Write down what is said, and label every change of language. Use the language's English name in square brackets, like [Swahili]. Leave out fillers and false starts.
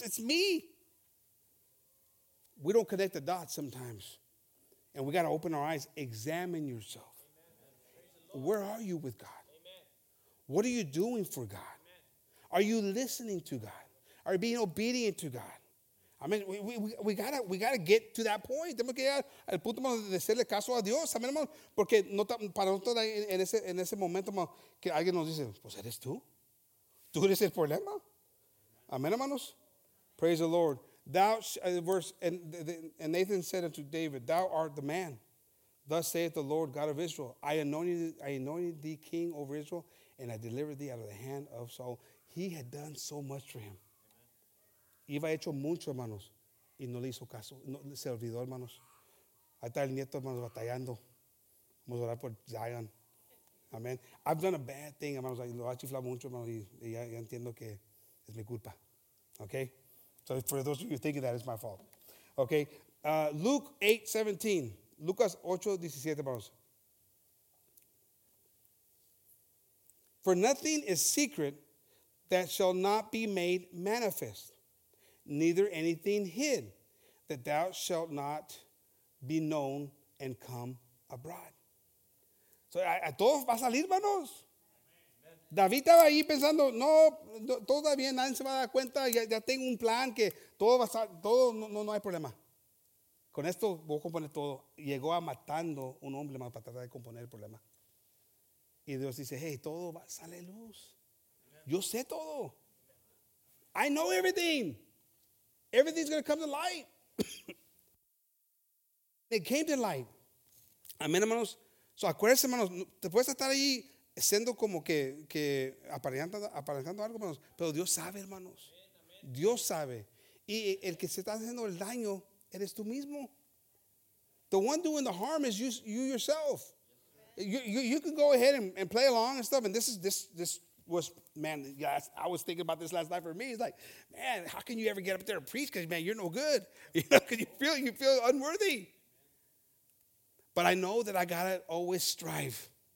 [English] It's me. We don't connect the dots sometimes. And we got to open our eyes. Examine yourself. Where are you with God? What are you doing for God? Are you listening to God? Are you being obedient to God? I mean, we gotta get to that point. [Spanish] Tenemos que llegar al punto de hacerle caso a Dios. Amén, hermano. Porque no, para nosotros en ese momento, hermano, que alguien nos dice, pues eres tú. Tú eres el problema. Amén, hermanos. [English] Praise the Lord. And Nathan said unto David, thou art the man. Thus saith the Lord God of Israel. I anointed thee king over Israel, and I delivered thee out of the hand of Saul. He had done so much for him. [Spanish] Iba hecho mucho, hermanos, y no le hizo caso. No, se olvidó, hermanos. Ahí está el nieto, hermanos, batallando. Vamos a orar por Zion. Amén. [English] I've done a bad thing, [Spanish] hermanos. Lo ha chiflado mucho, hermanos, y ya entiendo que es mi culpa. [English] Okay? So for those of you thinking that, it's my fault. Okay? Lucas 8:17, hermanos. For nothing is secret that shall not be made manifest. Neither anything hid that thou shalt not be known and come abroad. [Spanish] So a todos va a salir, hermanos. David estaba ahí pensando, no, todo está bien, nadie se va a dar cuenta, ya tengo un plan que todo va a estar, todo, no hay problema. Con esto voy a componer todo. Llegó a matando un hombre más para tratar de componer el problema. Y Dios dice, hey, todo va a salir luz. Yo sé todo. [English] I know everything. Everything's going to come to light. It came to light. Amén, hermanos. So, [Spanish] acuérdense, hermanos. Te puedes estar ahí siendo como que aparentando algo, hermanos. Pero Dios sabe, hermanos. Dios sabe. Y el que se está haciendo el daño, eres tú mismo. [English] The one doing the harm is you yourself. You can go ahead and play along and stuff. And this was, man, yes, I was thinking about this last night for me. It's like, man, how can you ever get up there and preach? Because, man, you're no good. You know, because you feel unworthy. But I know that I got to always strive.